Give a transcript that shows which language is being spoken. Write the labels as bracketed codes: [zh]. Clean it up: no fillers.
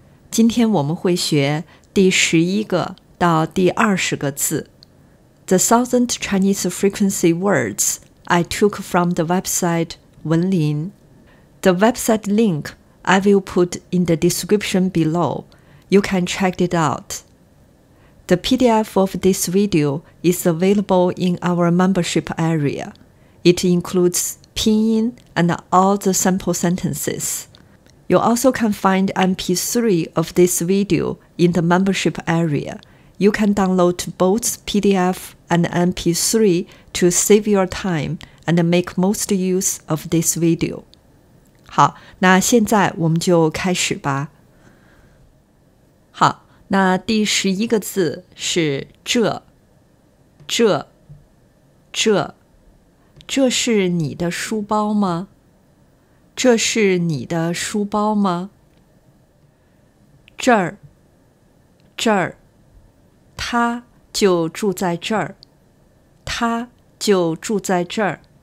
[zh] 今天我们会学第11个到第20个字。 [en] The 1000 Chinese Frequency Words I took from the website 文林。 The website link I will put in the description below. You can check it out. The PDF of this video is available in our membership area. It includes pinyin and all the sample sentences. You also can find MP3 of this video in the membership area. You can download both PDF and MP3 to save your time and make most use of this video. [zh] 好，那现在我们就开始吧。好。那第十一个字是这，这，这，这是你的书包吗？这是你的书包吗？这儿，这儿，他就住在这儿，他就住在这儿。